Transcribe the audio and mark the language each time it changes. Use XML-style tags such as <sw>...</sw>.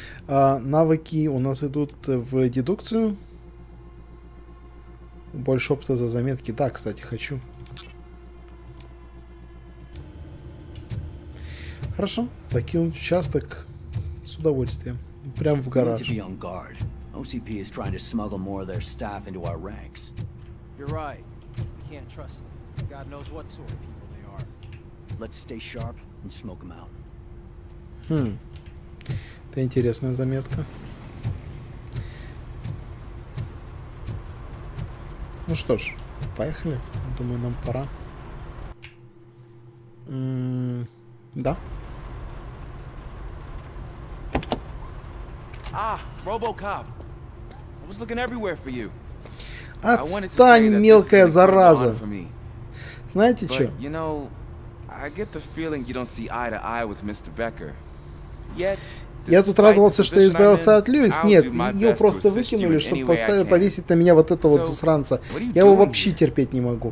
<ru>Навыки у нас идут в дедукцию. Больше опыта за заметки. Да, кстати, хочу. Хорошо, покинуть участок с удовольствием, прям в гараж.</ru> <en>Need to be on guard. OCP is trying to smuggle more of their staff into our ranks. You're right. We can't trust them. God knows what sort of people they are. Let's stay sharp and smoke them out.</en> <ru>Это интересная заметка. Ну что ж, поехали. Думаю, нам пора. Да.</ru> <en>Ah, RoboCop. I was looking everywhere for you.</en> <ru>Отстань, мелкая зараза. Знаете что?</ru> <en>But, you know, I get the feeling you don't see eye to eye with Mr. Becker. Yet,</en> <ru>я тут радовался, что избавился от Льюис. Нет, ее просто выкинули, чтобы поставить, повесить на меня вот этого вот засранца. Я его вообще терпеть не могу.</ru>